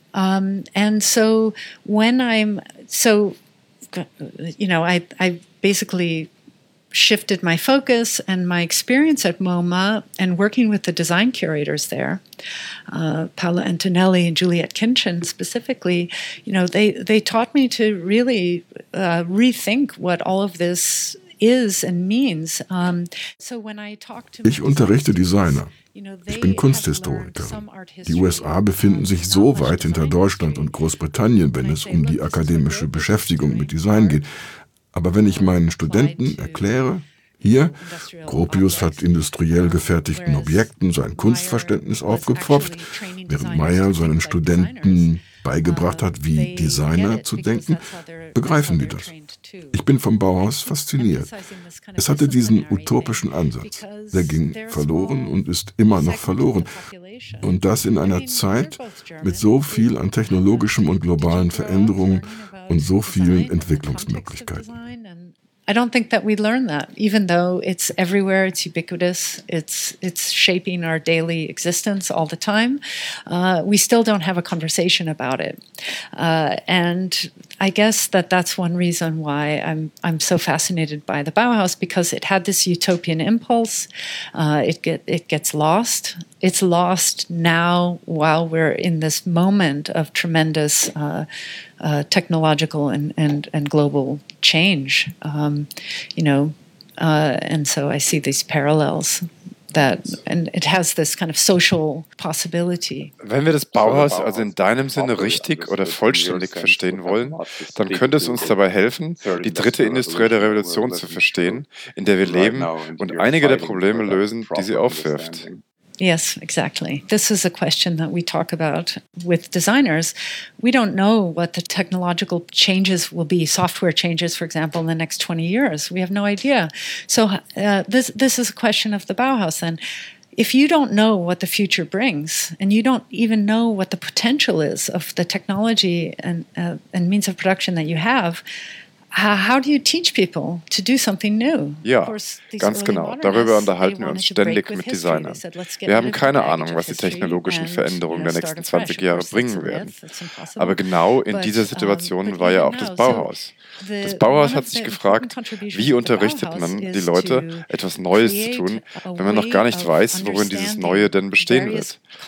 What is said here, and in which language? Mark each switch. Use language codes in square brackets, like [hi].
[en] I basically shifted my focus and my experience at MoMA and working with the design curators there, Paola Antonelli and Juliet Kinchin specifically, you know, they taught me to really rethink what all of this is and means. So when I talk to [de] Ich unterrichte Designer. Ich bin Kunsthistoriker. Die USA befinden sich so weit hinter Deutschland und Großbritannien, wenn es um die akademische Beschäftigung mit Design geht. Aber wenn ich meinen Studenten erkläre, hier, Gropius hat industriell gefertigten Objekten sein Kunstverständnis aufgepfropft, während Meyer seinen Studenten beigebracht hat, wie Designer zu denken, begreifen die das. Ich bin vom Bauhaus fasziniert. Es hatte diesen utopischen Ansatz. Der ging verloren und ist immer noch verloren. Und das in einer Zeit mit so viel an technologischem und globalen Veränderungen und so vielen Entwicklungsmöglichkeiten. [en] I don't think that we learn that, even though it's everywhere, it's ubiquitous, it's shaping our daily existence all the time. We still don't have a conversation about it. And I guess that's one reason why I'm so fascinated by the Bauhaus, because it had this utopian impulse. It gets lost. It's lost now while we're in this moment of tremendous technological and global change, and so I see these parallels that, and it has this kind of social possibility. [de] Wenn wir das Bauhaus also in deinem Sinne richtig oder vollständig verstehen wollen, dann könnte es uns dabei helfen, die dritte industrielle Revolution zu verstehen, in der wir leben, und einige der Probleme lösen, die sie aufwirft. [en] Yes, exactly. This is a question that we talk about with designers. We don't know what the technological changes will be, software changes, for example, in the next 20 years. We have no idea. So this is a question of the Bauhaus then. If you don't know what the future brings, and you don't even know what the potential is of the technology and means of production that you have, how do you teach people to do something new? [de] Ja, ganz genau. Darüber unterhalten wir uns ständig mit Designern. Wir haben keine Ahnung, was die technologischen Veränderungen der nächsten 20 Jahre bringen werden. Aber genau in dieser Situation war ja auch das Bauhaus. Das Bauhaus hat sich gefragt, wie unterrichtet man die Leute, etwas Neues zu tun, wenn man noch gar nicht weiß, worin dieses Neue denn bestehen wird.